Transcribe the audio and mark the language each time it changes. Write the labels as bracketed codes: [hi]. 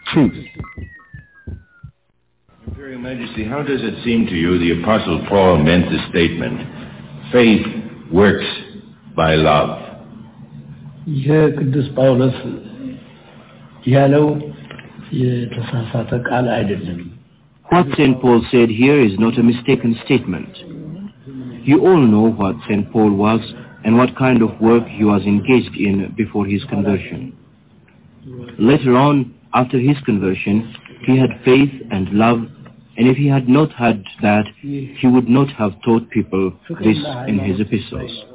[en] Truth is truth. Imperial Majesty, how does it seem to you the Apostle Paul meant the statement, faith works by love? [am] ይሄ ቅዱስ ጳውሎስ ያለው የተሳሳተ ቃል አይደለም። [en] What St. Paul said here is not a mistaken statement. You all know what St. Paul was and what kind of work he was engaged in before his conversion. Later on, after his conversion, he had faith and love, and if he had not had that, he would not have taught people this in his epistles.